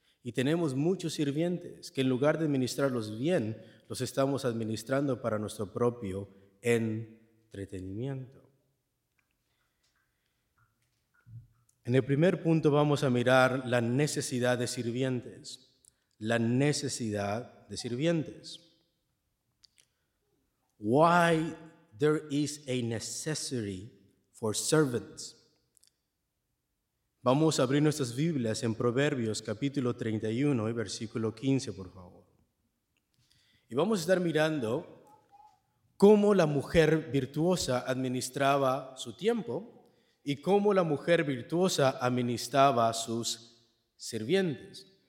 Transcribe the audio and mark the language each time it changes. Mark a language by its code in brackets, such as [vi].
[es] Y tenemos muchos sirvientes que en lugar de administrarlos bien, los estamos administrando para nuestro propio entretenimiento. En el primer punto vamos a mirar la necesidad de sirvientes. La necesidad de sirvientes. [en] Why there is a necessity for servants. [es] Vamos a abrir nuestras Biblias en Proverbios capítulo 31 y versículo 15, por favor. Y vamos a estar mirando cómo la mujer virtuosa administraba su tiempo y cómo la mujer virtuosa administraba sus sirvientes.